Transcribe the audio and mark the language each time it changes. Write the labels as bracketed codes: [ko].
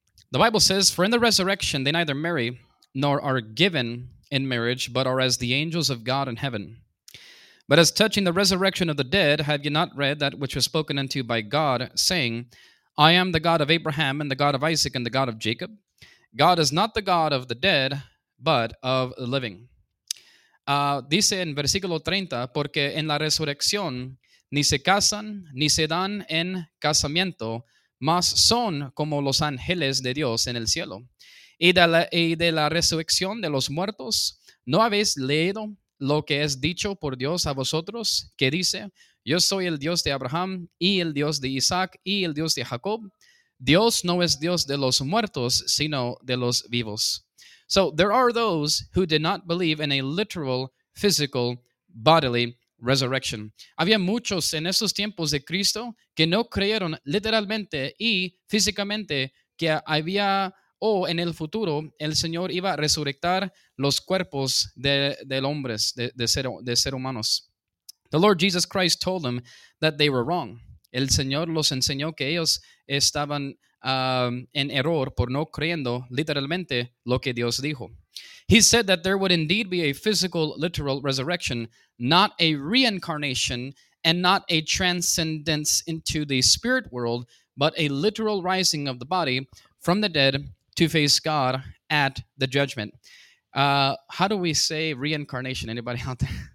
[en] The Bible says, "For in the resurrection they neither marry nor are given in marriage, but are as the angels of God in heaven. But as touching the resurrection of the dead, have you not read that which was spoken unto by God, saying, I am the God of Abraham, and the God of Isaac, and the God of Jacob. God is not the God of the dead, but of the living." [es] Dice en versículo 30, porque en la resurrección ni se casan ni se dan en casamiento, mas son como los ángeles de Dios en el cielo. Y de la resurrección de los muertos, ¿no habéis leído lo que es dicho por Dios a vosotros, que dice, yo soy el Dios de Abraham, y el Dios de Isaac, y el Dios de Jacob? Dios no es Dios de los muertos, sino de los vivos. [en] So there are those who did not believe in a literal, physical, bodily resurrection. [es] Había muchos en esos tiempos de Cristo que no creyeron literalmente y físicamente que había o en el futuro el Señor iba a resurrectar los cuerpos de hombres, de seres humanos. [en] The Lord Jesus Christ told them that they were wrong. [es] El Señor los enseñó que ellos estaban en error por no creyendo literalmente lo que Dios dijo. [en] He said that there would indeed be a physical, literal resurrection, not a reincarnation and not a transcendence into the spirit world, but a literal rising of the body from the dead to face God at the judgment. How do we say reincarnation? Anybody out there?